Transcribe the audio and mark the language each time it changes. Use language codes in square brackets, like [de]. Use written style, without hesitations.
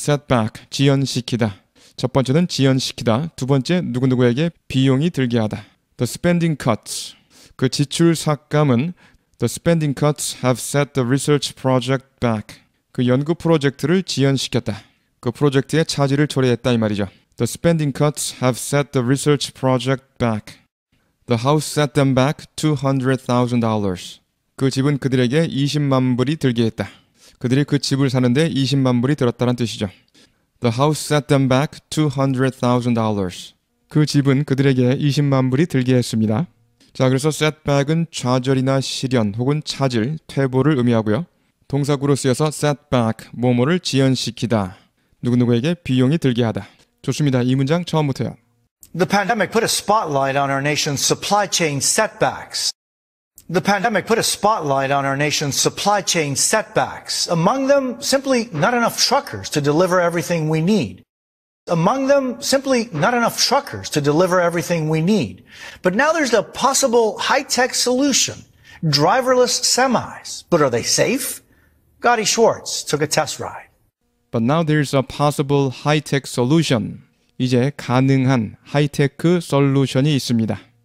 [ko] setback, 지연시키다. 첫 번째는 지연시키다. 두 번째, 누구누구에게 비용이 들게 하다. [en] The spending cuts. [ko] 그 지출 삭감은 [en] The spending cuts have set the research project back. [ko] 그 연구 프로젝트를 지연시켰다. 그 프로젝트의 차질을 초래했다 이 말이죠. [en] The spending cuts have set the research project back. The house set them back $200,000. [ko] 그 집은 그들에게 20만 불이 들게 했다. 그들이 그 집을 사는데 20만 불이 들었다는 뜻이죠. [en] The house set them back $200,000. [ko] 그 집은 그들에게 20만 불이 들게 했습니다. 자, 그래서 setback은 좌절이나 실현 혹은 차질, 퇴보를 의미하고요. 동사구로 쓰여서 setback, 뭐뭐를 지연시키다. 누구누구에게 비용이 들게 하다. 좋습니다. 이 문장 처음부터요. [en] The pandemic put a spotlight on our nation's supply chain setbacks. The pandemic put a spotlight on our nation's supply chain setbacks. Among them, simply not enough truckers to deliver everything we need. Among them, simply not enough truckers to deliver everything we need. But now there's a possible high-tech solution. Driverless semis. But are they safe? Gotti Schwartz took a test ride. But now there's a possible high-tech solution. [ko] 이제 가능한 하이테크 솔루션이 있습니다.